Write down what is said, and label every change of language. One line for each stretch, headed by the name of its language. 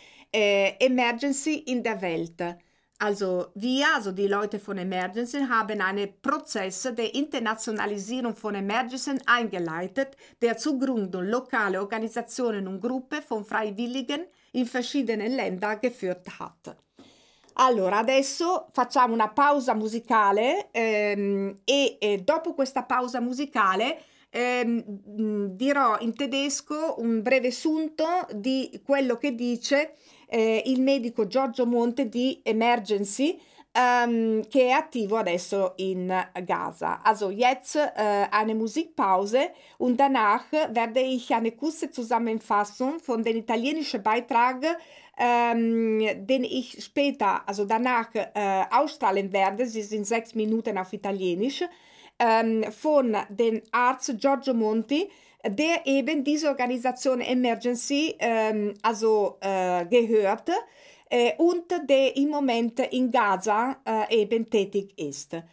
German: Emergency in der Welt. Also wir, also die Leute von Emergency, haben einen Prozess der Internationalisierung von Emergency eingeleitet, der zur Gründung lokaler Organisationen und Gruppen von Freiwilligen in verschiedenen Ländern geführt hat.
Italian: Allora, adesso facciamo una pausa musicale e dopo questa pausa musicale dirò in tedesco un breve sunto di quello che dice il medico Giorgio Monte di Emergency che è attivo adesso in Gaza.
German: Also jetzt eine Musikpause und danach werde ich eine kurze Zusammenfassung von den italienischen Beitrag den ich später, also danach ausstrahlen werde, sie sind 6 Minuten auf Italienisch, von dem Arzt Giorgio Monti, der eben diese Organisation Emergency also gehört und der im Moment in Gaza eben tätig ist.